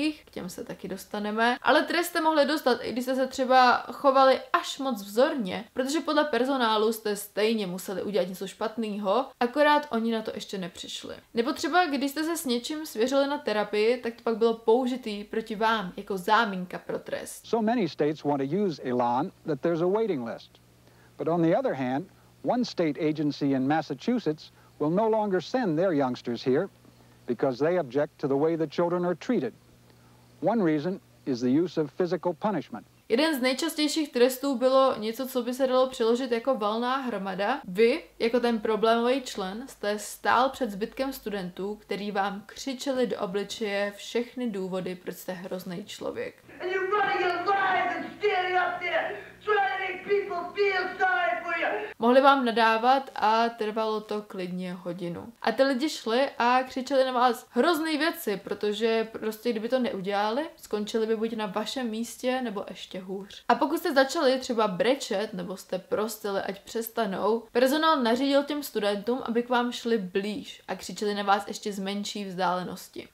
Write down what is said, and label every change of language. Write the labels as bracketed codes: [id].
[cs] dalších, k těm se taky dostaneme. Ale trest jste mohli dostat, i když jste se třeba chovali až moc vzorně, protože podle personálu jste stejně museli udělat něco špatného, akorát oni na to ještě nepřišli. Nebo třeba, když jste se s něčím svěřili na terapii, tak to pak bylo použitý proti vám jako záminka pro trest. [en] So many states want to use Elan that there's a waiting list. But on the other hand, one state agency in Massachusetts will no longer send their youngsters here because they object to the way the children are treated. One reason is the use of physical punishment. [cs] Jeden z nejčastějších trestů bylo něco, co by se dalo přeložit jako valná hromada. Vy, jako ten problémový člen, jste stál před zbytkem studentů, který vám křičeli do obličeje všechny důvody, proč jste hrozný člověk. [en] And you're running your lives and standing up there, trying to make people feel sorry for you. [cs] Mohli vám nadávat a trvalo to klidně hodinu. A ty lidi šli a křičeli na vás hrozný věci, protože prostě kdyby to neudělali, skončili by buď na vašem místě, nebo ještě hůř. A pokud jste začali třeba brečet, nebo jste prosili, ať přestanou, personál nařídil těm studentům, aby k vám šli blíž a křičeli na vás ještě z menší vzdálenosti.